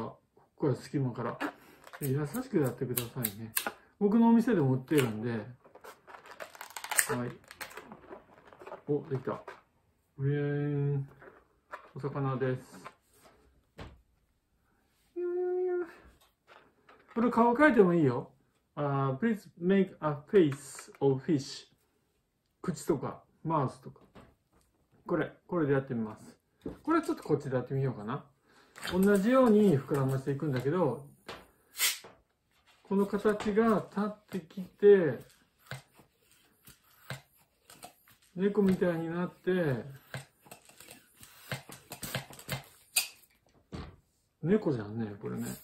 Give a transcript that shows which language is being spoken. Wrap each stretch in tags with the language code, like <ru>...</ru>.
<ja>ここは隙間から。優しくやってくださいね。僕のお店でも売ってるんで。はい。お、できた。うぇん。お魚です。これ顔描いてもいいよ。</ja> <en>Please make a face of fish.</en> <ja>口とか、マウスとか。これでやってみます。これちょっとこっちでやってみようかな。同じように膨らませていくんだけど、この形が立ってきて、猫みたいになって、猫じゃんね、これね。</ja>